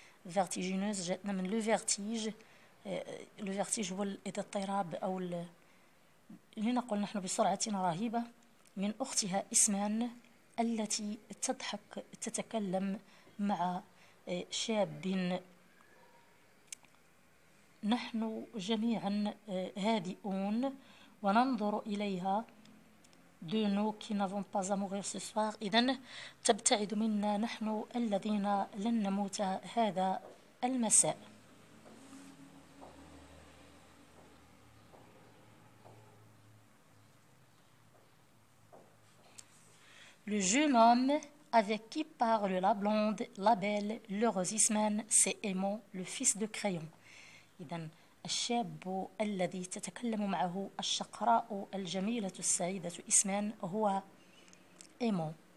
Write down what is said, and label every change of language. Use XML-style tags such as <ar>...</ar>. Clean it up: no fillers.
<ar>فيرتيجينوز جاءتنا من لو فيرتيج. لو فيرتيج هو الاضطراب أو لنقول نحن بسرعة رهيبة. من أختها إسمان التي تضحك تتكلم مع شاب. نحن جميعا هادئون وننظر إليها.</ar> <fr>De nous qui n'avons pas à mourir ce soir.</fr> <ar>إذن تبتعد منا نحن الذين لن نموت هذا المساء.</ar> <fr>Le jeune homme avec qui parle la blonde, la belle, l'heureuse Ismène, c'est Aimon, le fils de Crayon.</fr> <ar>إذن الشاب الذي تتكلم معه الشقراء الجميلة السعيدة إسمان هو إيمون.</ar>